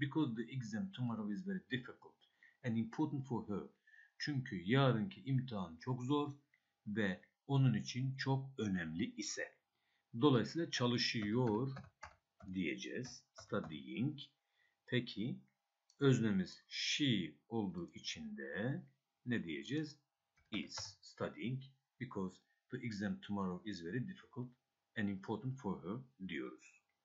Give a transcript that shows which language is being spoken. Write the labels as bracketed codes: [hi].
[en] Because the exam tomorrow is very difficult and important for her. [tr] Çünkü yarınki imtihan çok zor ve onun için çok önemli ise. Dolayısıyla çalışıyor diyeceğiz. Studying. Peki öznemiz she olduğu için de ne diyeceğiz? [en] Is studying because the exam tomorrow is very difficult and important for her [tr] diyoruz.